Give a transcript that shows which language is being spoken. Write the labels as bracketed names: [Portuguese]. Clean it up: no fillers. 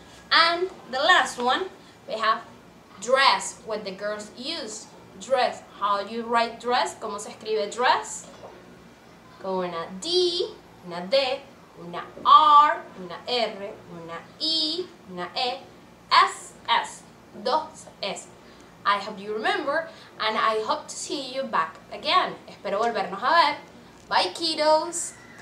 [English] And the last one, we have dress, what the girls use. Dress. How do you write dress? [Spanish] ¿Cómo se escribe dress? Con una D, una D, una R, una R, una I, una E, S, S, dos S. [English] I hope you remember, and I hope to see you back again. [Spanish] Espero volvernos a ver. [English] Bye, kiddos.